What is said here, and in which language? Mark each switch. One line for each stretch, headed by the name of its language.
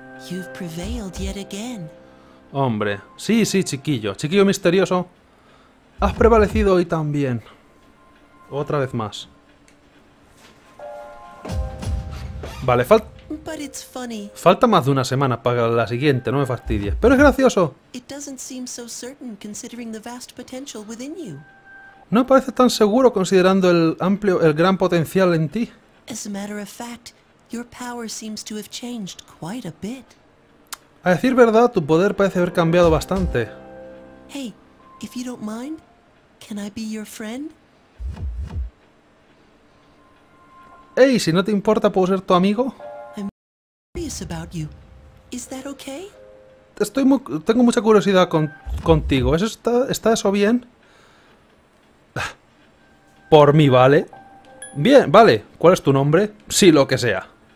English: You've prevailed yet again.
Spanish: Hombre, sí, sí, chiquillo. Chiquillo misterioso. Has prevalecido hoy también. Otra vez más. Vale, falta más de una semana para la siguiente, no me fastidies. Pero es gracioso.
English: It doesn't seem so certain considering the vast potential within you.
Spanish: No parece tan seguro considerando el gran potencial en ti.
English: As a matter of fact, your power seems to have changed quite a bit.
Spanish: A decir verdad, tu poder parece haber cambiado bastante.
English: Hey, if you don't mind, can I be your friend?
Spanish: Hey, si no te importa, ¿puedo ser tu amigo?
English: I'm curious about you. Is that okay?
Spanish: Tengo mucha curiosidad contigo. ¿Está eso bien? Por mí, ¿vale? Bien, vale. ¿Cuál es tu nombre? Sí, lo que sea.